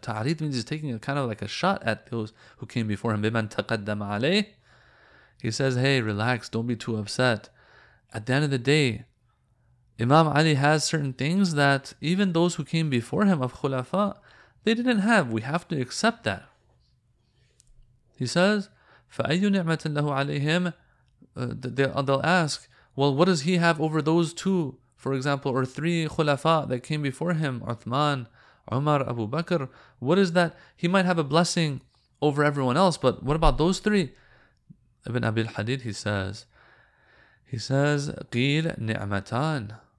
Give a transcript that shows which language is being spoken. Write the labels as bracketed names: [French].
[English] تَعْرِيدٌ means he's taking a kind of like a shot at those who came before him. [Arabic] بِمَنْ تَقَدَّمَ عَلَيْهِ. [English] He says, hey, relax, don't be too upset. At the end of the day, Imam Ali has certain things that even those who came before him of Khulafa, they didn't have. We have to accept that. He says, [Arabic] فَأَيُّ نِعْمَةٍ لَهُ عَلَيْهِمْ. [English] They'll ask, well, what does he have over those two, for example, or three khulafa that came before him, Uthman, Umar, Abu Bakr? What is that? He might have a blessing over everyone else, but what about those three? Ibn Abi al-Hadid, he says, [Arabic] قِيل نِعْمَتَان.